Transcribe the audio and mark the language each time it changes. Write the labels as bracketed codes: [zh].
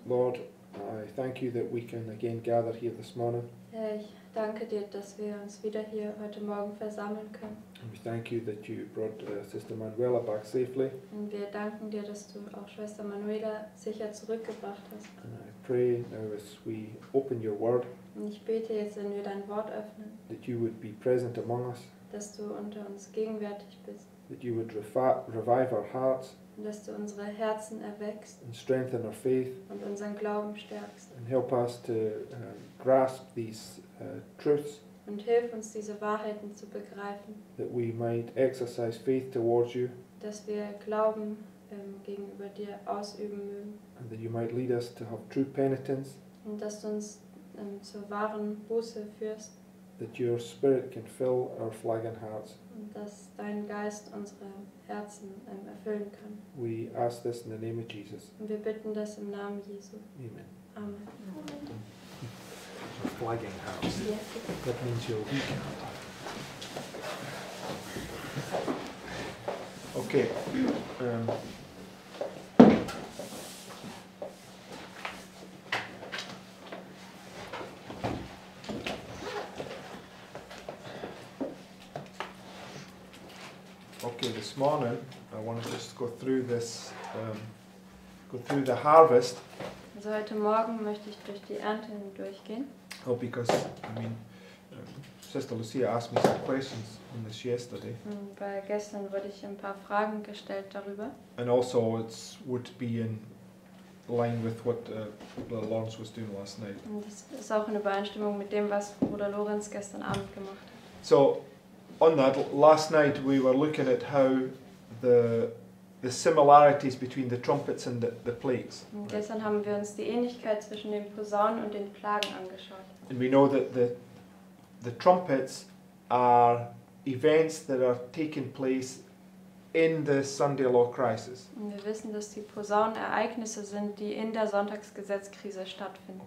[en] Lord, I thank you that we can again gather here this morning. [de] Herr, ich danke dir, dass wir uns wieder hier heute Morgen versammeln können. [en] And we thank you that you brought Sister Manuela back safely. [de] Und wir danken dir, dass du auch Schwester Manuela sicher zurückgebracht hast. [en] And I pray now as we open your word. [de] Und ich bete jetzt, wenn wir dein Wort öffnen. [en] That you would be present among us. [de] Dass du unter uns gegenwärtig bist. [en] That you would revive our hearts. [de] Dass du unsere Herzen erwächst [en] and strengthen our faith [de] und unseren Glauben stärkst [en] and help us to grasp these truths [de] und hilf uns diese Wahrheiten zu begreifen [en] that we might exercise faith towards you [de] dass wir Glauben gegenüber dir ausüben mögen [en] and that you might lead us to have true penitence [de] und dass du uns zur wahren Buße führst [en] that your spirit can fill our flagging hearts [de] dass dein Geist unsere Herzen erfüllen kann. [en] We ask this in the name of Jesus. [de] Und wir bitten das im Namen Jesu. [en] Amen. [de] Amen. [en] A flagging house. Yes. That means you're weak. Okay. This morning, I want to just go through this, go through the harvest. [de] Also heute Morgen möchte ich durch die Ernte durchgehen. [en] Oh, because, I mean, Sister Lucia asked me some questions on this yesterday. [de] Weil gestern wurde ich ein paar Fragen gestellt darüber. [en] And also it would be in line with what Lawrence was doing last night. [de] Und das ist auch in Übereinstimmung mit dem, was Bruder Lorenz gestern Abend gemacht hat. [en] So, on that, last night we were looking at how the similarities between the trumpets and the plagues. [de] Und gestern [en] right. [de] haben wir uns die Ähnlichkeit zwischen den Posaunen und den Plagen angeschaut. [en] And we know that the trumpets are events that are taking place in the Sunday law crisis. [de] Und wir wissen, dass die Posaunen Ereignisse sind, die in der Sonntagsgesetzkrise stattfinden.